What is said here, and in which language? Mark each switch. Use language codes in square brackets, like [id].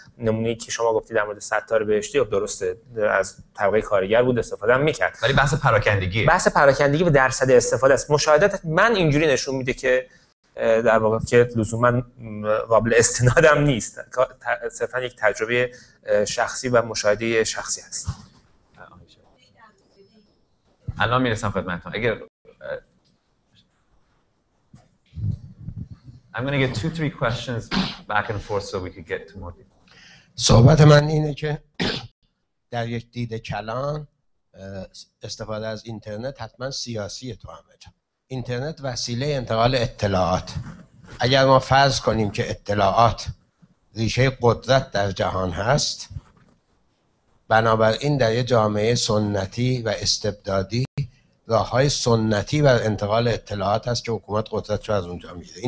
[fa] نمونه‌ای که شما گفتی در مورد ستار بهشتی درسته از طبقه کارگر بود استفاده هم میکرد، ولی بحث پراکندگی، بحث پراکندگی و درصد استفاده است. مشاهدات من اینجوری نشون میده که در واقع که لزوما قابل استنادم نیست، صرفا یک تجربه شخصی و مشاهده شخصی هست. الان میرسم خدمتتون. اگر [en] I'm going to get 2-3 questions back and forth so we could get to more people. [fa] صحبت من اینه که در یک دید کلان استفاده از اینترنت حتما سیاسی تو همه. اینترنت وسیله انتقال اطلاعات. اگر ما فرض کنیم که اطلاعات ریشه قدرت در جهان هست، بنابراین در یه جامعه سنتی و استبدادی راه‌های سنتی بر انتقال اطلاعات هست که حکومت قدرت رو از اونجا میگیره.